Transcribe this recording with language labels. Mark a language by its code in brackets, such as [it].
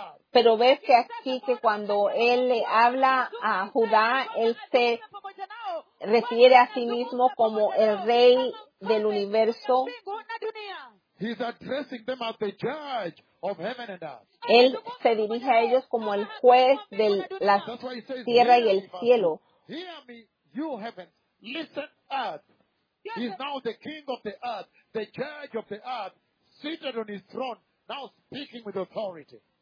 [es] Pero ves que aquí, que cuando Él le habla a Judá, Él se refiere a sí mismo como el rey del universo. [en] He's addressing them as the judge of heaven and earth. [es] Él se dirige a ellos como el juez de la tierra y el cielo. [en] Hear me, you heavens, listen earth. He is now the king of the earth, the judge of the earth, seated on his throne, now speaking with authority.